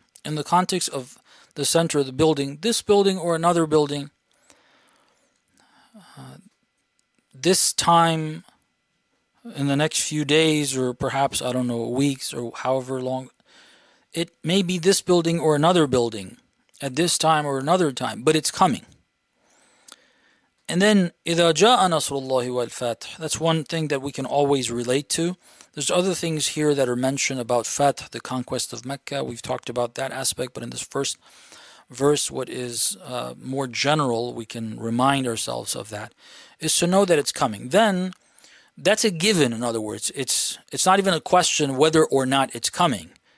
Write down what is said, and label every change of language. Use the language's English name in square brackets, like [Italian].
[English] In the context of the center of the building, this building or another building, this time in the next few days, or perhaps, I don't know, weeks or however long, it may be this building or another building at this time or another time, but it's coming. And then, [Arabic] إِذَا جَاءَ نَصْرُ اللَّهِ وَالْفَتْحِ. [English] That's one thing that we can always relate to. There's other things here that are mentioned about Fath, the conquest of Mecca. We've talked about that aspect, but in this first verse, what is more general, we can remind ourselves of that, is to know that it's coming. Then, that's a given, in other words. It's not even a question whether or not it's coming.